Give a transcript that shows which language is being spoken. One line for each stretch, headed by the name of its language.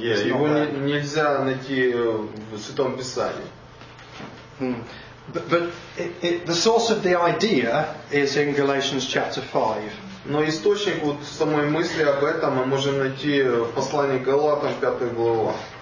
Russian: yeah, его нельзя найти в Святом Писании.
English: But the source of the idea is in Galatians chapter 5.
Russian: Но источник вот самой мысли об этом мы можем найти в послании Галатам, 5 глава.